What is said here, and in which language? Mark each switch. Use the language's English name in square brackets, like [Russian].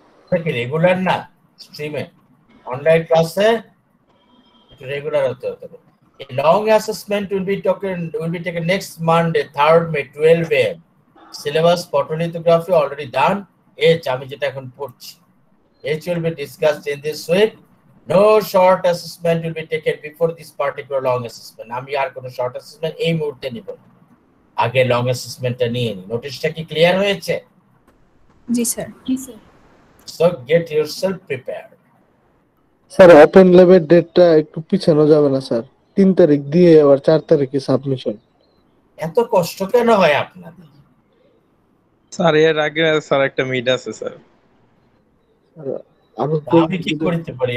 [Bangla] থেকে রেগুলার না স্ট্রিমে, অনলাইন ক্লাসে একটু রেগুলার হতে হবে। [English] এই long assessment will be taken next Monday 3rd May 12 AM। Syllabus photolithography already done, etch [Bangla] আমি যেটা এখন পড়ছি, [English] Etch will be discussed in this week. No short assessment will be taken before this particular long assessment. [Bangla] আমি আর কোনো short assessment এই মুহূর্তে নিব, আগে long assessment টা নিয়ে নি। নোটিশটা কি ক্লিয়ার হয়েছে? জি স্যার। জি sir. [English] So get yourself prepared. [Bangla] Sir, open level ডেটটা একটু পিছানো যাবে না স্যার? 3 তারিখ দিয়ে আবার 4 তারিখে সাবমিশন, এত কষ্ট কেন হয় আপনার? স্যার, এর আগে স্যার একটা মিট আছে স্যার। আমি কি করতে পারি?